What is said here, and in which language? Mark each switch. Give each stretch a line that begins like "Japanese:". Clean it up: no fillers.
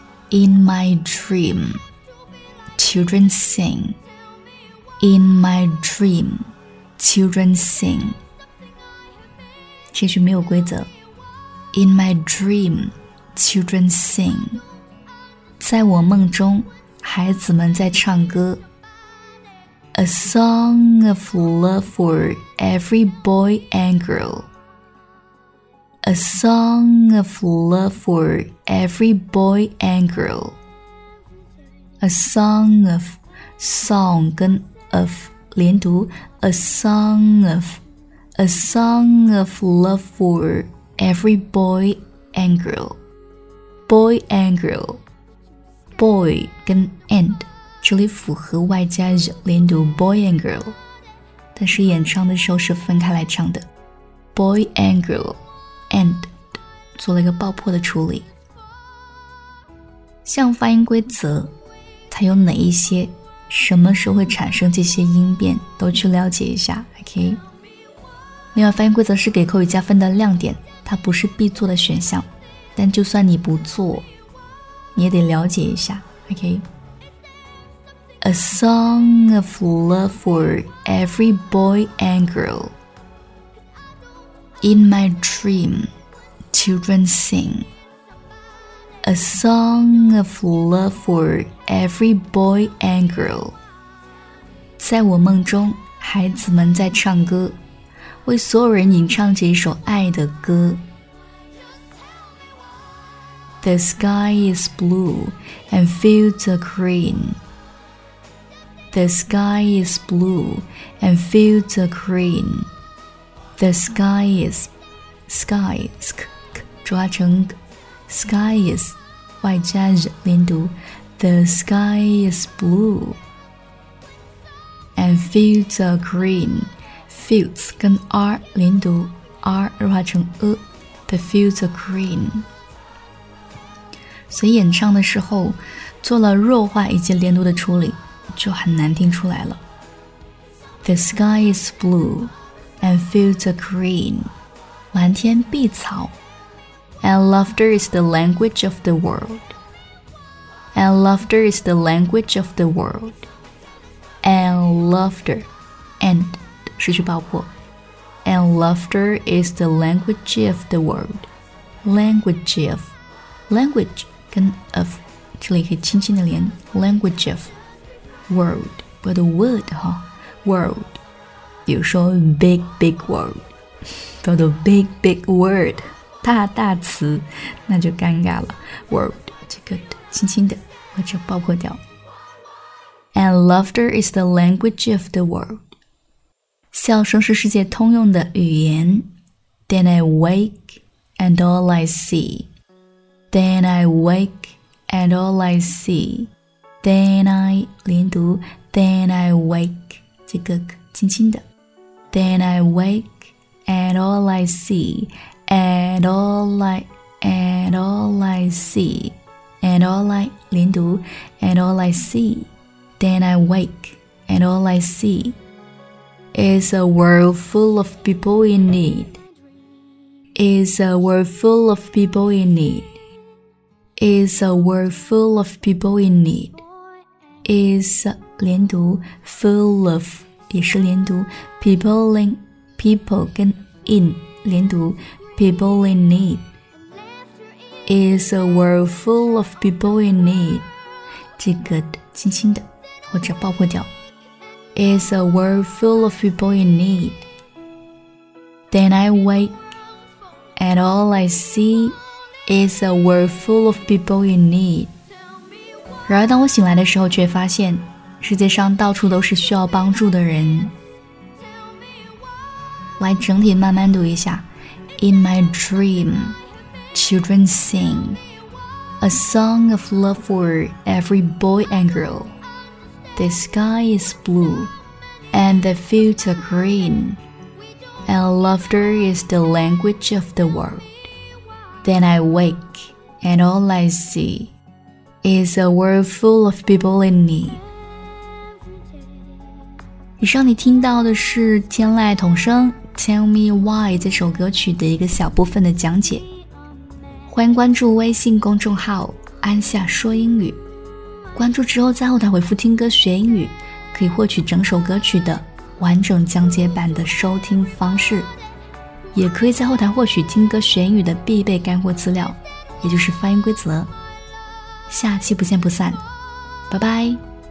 English: In my dream, children sing. In my dream, children sing.
Chinese: 这句没有规则。
English: In my dream, children sing.
Chinese: 在我梦中，孩子们在唱歌。
English: A song of love for every boy and girl. A song of love for every boy and girl. A song of song
Chinese: 跟
English: of
Chinese: 连读
English: A song of A song of love for every boy and girl. Boy and girl. Boy
Chinese: 跟
English: and
Chinese: 这里符合外加连读
English: boy and girl，
Chinese: 但是演唱的时候是分开来唱的
English: Boy and girlAnd
Chinese: 做了一个爆破的处理。像发音规则它有哪一些，什么时候会产生这些音变，都去了解一下 OK。另外发音规则是给口语加分的亮点，它不是必做的选项，但就算你不做你也得了解一下 OK。
English: A song of love for every boy and girlIn my dream, children sing A song of love for every boy and girl.
Chinese: 在我梦中，孩子们在唱歌，为所有人吟唱着一首爱的歌。
English: The sky is blue and fields are green. The sky is blue and fields are green. The sky is, sky, sk, k,
Chinese: 抓成
English: k, sky is,
Chinese: 外加
English: z,
Chinese: 连读
English: The sky is blue, and fields are green, fields 跟 r
Chinese: 连读
English: ,r
Chinese: 抓成
English: e, the fields are green.
Chinese: 所以演唱的时候做了弱化以及连读的处理就很难听出来了。
English: The sky is blue,And fields are green,
Chinese: 蓝天碧草
English: And laughter is the language of the world. And laughter is the language of the world. And laughter, and
Chinese: 失去爆破
English: And laughter is the language of the world. Language of, language 跟 of
Chinese: 这里可以轻轻的连
English: language of, world, but the word
Chinese: 哈
English: world.
Chinese: 比如说
English: big big word
Chinese: 叫做
English: big big word
Chinese: 大大词，那就尴尬了。
English: word
Chinese: 这个轻轻的或者爆破掉。
English: And laughter is the language of the world，
Chinese: 笑声是世界通用的语言。
English: Then I wake and all I see Then I wake and all I see Then I
Chinese: 连读
English: Then I wake
Chinese: 这个轻轻的。
English: Then I wake, and all I see, and all I, and all I see, and all I,
Chinese: 连读,
English: and all I see, then I wake, and all I see, is a world full of people in need, is a world full of people in need, is a world full of people in need. Is
Chinese: 连读
English: full of
Chinese: 也是连读
English: people 跟 in
Chinese: 连读
English: people in need. Is a world full of people in need.
Chinese: 这个轻轻的或者爆破掉。
English: Is a world full of people in need. Then I wake, and all I see is a world full of people in need.
Chinese: 然而当我醒来的时候却发现世界上到处都是需要帮助的人。来整体慢慢读一下。
English: In my dream, children sing a song of love for every boy and girl. The sky is blue. And the fields are green, and laughter is the language of the world. Then I wake, and all I see is a world full of people in need.
Chinese: 以上你听到的是天籁童声 Tell Me Why 这首歌曲的一个小部分的讲解。欢迎关注微信公众号安夏说英语，关注之后在后台回复听歌学英语，可以获取整首歌曲的完整讲解版的收听方式，也可以在后台获取听歌学英语的必备干货资料，也就是发音规则。下期不见不散，拜拜。